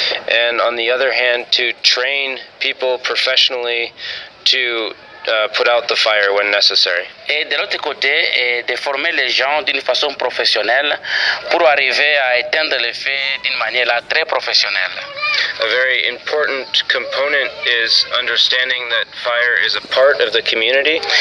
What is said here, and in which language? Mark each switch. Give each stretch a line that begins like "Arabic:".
English: And on the other hand, to train people professionally to put out the fire when necessary.
French: Et de l'autre côté, de former les gens d'une façon professionnelle pour arriver à éteindre le feu d'une manière très professionnelle.
English: A very important component is understanding that fire is a part of the community.